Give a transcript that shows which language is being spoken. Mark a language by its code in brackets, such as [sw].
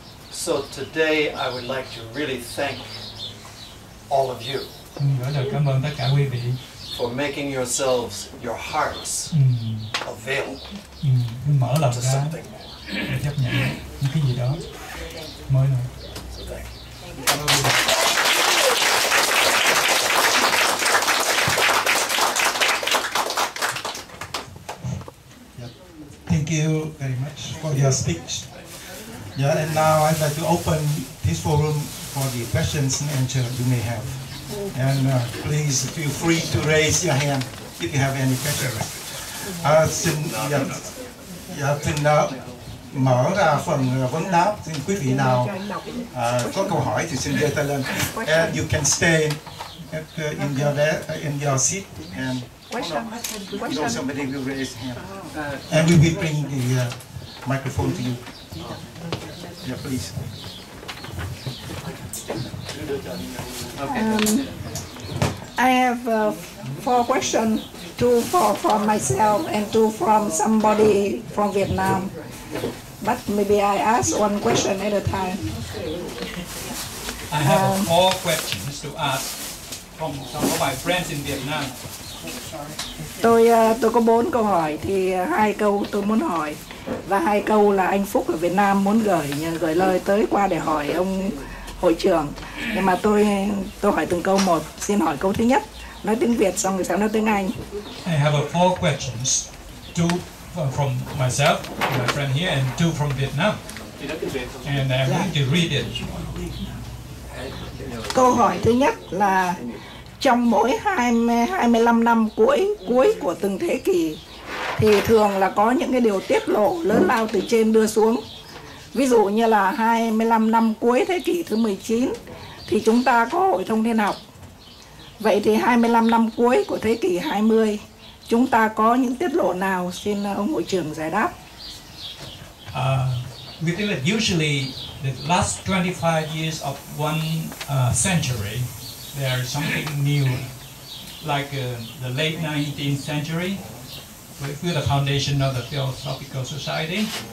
[en] So today I would like to really thank all of you. [vi] Gửi lời cảm ơn tất cả quý vị. [en] For making yourselves, your hearts available. [vi] Mở lòng ra để chấp nhận những cái gì đó mới nữa. [en] So thank you. Thank you very much for your speech. Yeah, and now I'd like to open this forum for the questions and answers you may have. And please feel free to raise your hand if you have any questions. [vi] Xin mở ra phần vấn đáp. Xin quý vị nào có câu hỏi thì xin giơ tay lên. [en] And you can stay in your seat and. Question. No, somebody will raise hand. And we will bring the microphone to you. Yeah, please. I have four questions, two from myself and two from somebody from Vietnam. But maybe I ask one question at a time. I have four questions to ask from some of my friends in Vietnam. [vi] Tôi có bốn câu hỏi, thì hai câu tôi muốn hỏi và hai câu là anh Phúc ở Việt Nam muốn gửi lời tới qua để hỏi ông hội trưởng. Nhưng mà tôi hỏi từng câu một. Xin hỏi câu thứ nhất, nói tiếng Việt xong rồi sẽ nói tiếng Anh. [en] I have four questions, two from myself, my friend here, and two from Vietnam. And I'm going to read it. [vi] Câu hỏi thứ nhất là trong mỗi 25 năm cuối của từng thế kỷ thì thường là có những cái điều tiết lộ lớn lao từ trên đưa xuống. Ví dụ như là 25 năm cuối thế kỷ thứ 19 thì chúng ta có Hội Thông Thiên Học. Vậy thì 25 năm cuối của thế kỷ 20 chúng ta có những tiết lộ nào? Xin ông Hội trưởng giải đáp. [en] We think that usually the last 25 years of one century, there is something new, like the late 19th century, with the foundation of the Theosophical Society.